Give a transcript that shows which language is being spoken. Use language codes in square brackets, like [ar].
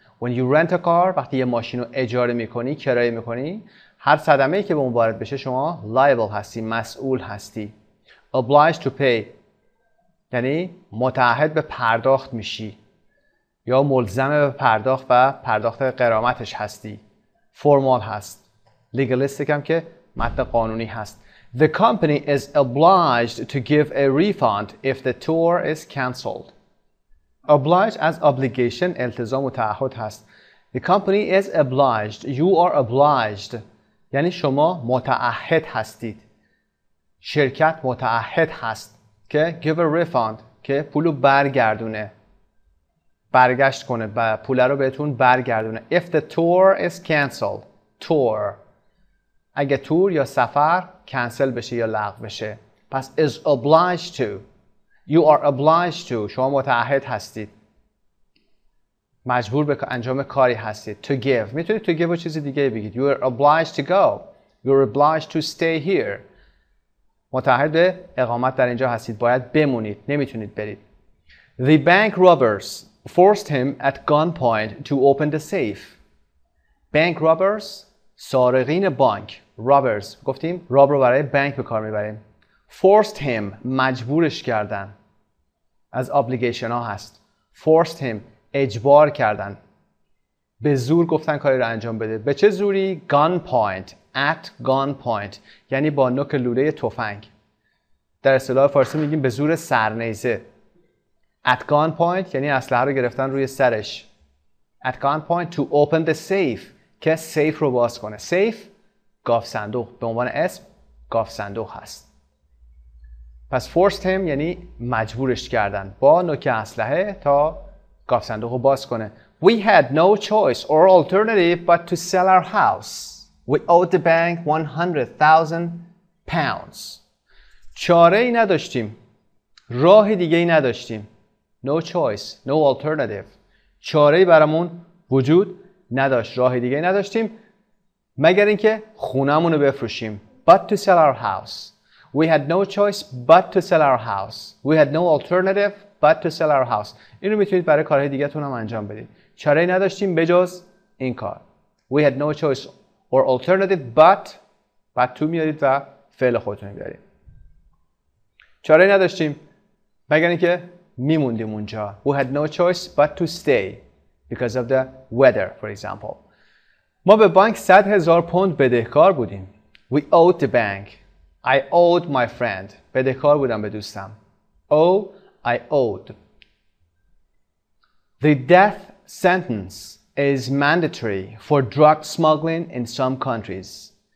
[en] When you rent a car، [fa] وقتی یه ماشین رو اجاره میکنی، کرایه میکنی، هر صدمه‌ای که به اون وارد بشه شما liable هستی، مسئول هستی. [en] Obliged to pay [fa] یعنی متعهد به پرداخت میشی یا ملزم به پرداخت و پرداخت غرامتش هستی. Formal هست. Legalistic هم که متن قانونی هست. [en] The company is obliged to give a refund if the tour is cancelled. Obliged as obligation، [fa] التزام و تعهد هست. [en] The company is obliged. You are obliged. [fa] یعنی شما متعهد هستید، شرکت متعهد هست که [en] give a refund، [fa] که پولو برگردونه، برگشت کنه، پول رو بهتون برگردونه. [en] If the tour is cancelled. [fa] Tour، اگه تور یا سفر کنسل بشه یا لغو بشه. پس [en] is obliged to، you are obliged to، [fa] شما متعهد هستید، مجبور به انجام کاری هستید. [en] To give، [fa] میتونید to give و چیزی دیگه بگید. [en] You are obliged to go. You are obliged to stay here. [fa] متعهد به اقامت در اینجا هستید، باید بمونید، نمیتونید برید. [en] The bank robbers forced him at gunpoint to open the safe. Bank robbers، [fa] سارقین بانک. Robbers گفتیم رابر رو برای بانک به کار میبریم. [en] Forced him، [fa] مجبورش کردن. از obligation ها هست. [en] Forced him، [fa] اجبار کردن، به زور گفتن کاری رو انجام بده. به چه زوری؟ [en] gun point، at gun point، [fa] یعنی با نوک لوله تفنگ. در اصطلاح فارسی میگیم به زور سرنیزه. [en] at gun point [fa] یعنی اسلحه رو گرفتن روی سرش. [en] at gun point to open the safe، [fa] که سیف رو باز کنه. سیف گاف صندوق، به عنوان اسم گاف صندوق هست. پس [en] forced him [fa] یعنی مجبورش کردن با نوک اسلحه تا گاف صندوق رو باز کنه. [en] We had no choice or alternative but to sell our house. We owed the bank 100,000 pounds. [fa] چاره ای نداشتیم، راه دیگه ای نداشتیم. [en] No choice، no alternative، [fa] چاره ای برامون وجود نداشت، راه دیگه ای نداشتیم مگر اینکه خونمون رو بفروشیم. [en] But to sell our house. We had no choice but to sell our house. We had no alternative but to sell our house. [fa] اینو میتونید برای کارهای دیگه تون هم انجام بدید. چاره‌ای نداشتیم بجز این کار. [en] We had no choice or alternative but to [fa] میارید و فعل خودتون میارید. چاره‌ای نداشتیم مگر اینکه میموندیم اونجا. [en] We had no choice but to stay because of the weather, for example. [fa] ما به بانک 100,000 پوند بدهکار بودیم. [en] We owed the bank. I owed my friend. [fa] بدهکار بودم به دوستم. [en] I owed. The death sentence is mandatory for drug smuggling in some countries.